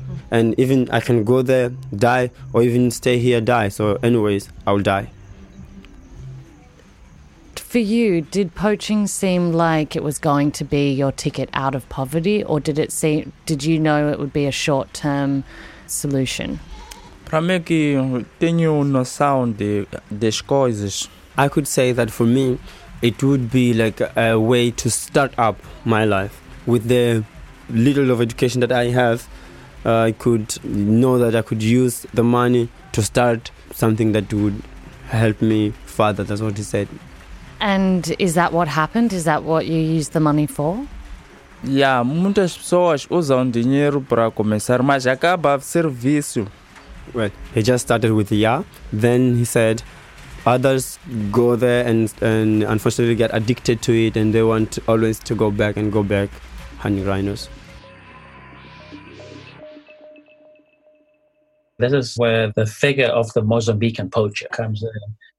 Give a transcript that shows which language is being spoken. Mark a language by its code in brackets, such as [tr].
[en] And even I can go there, die, or even stay here, die. So anyways, I will die. For you, did poaching seem like it was going to be your ticket out of poverty, or did it seem? Did you know it would be a short-term solution? [pt] Para mim que tenho noção de das coisas, [en] I could say that for me, it would be like a way to start up my life with the little of education that I have. I could know that I could use the money to start something that would help me further. That's what he said. And is that what happened? Is that what you used the money for? [pt] Yeah, muitas pessoas usam dinheiro para começar, mas acaba ser vício. [en] Well, he just started with yeah. Then he said, others go there and unfortunately get addicted to it, and they want always to go back and go back hunting rhinos. This is where the figure of the Mozambican poacher comes in.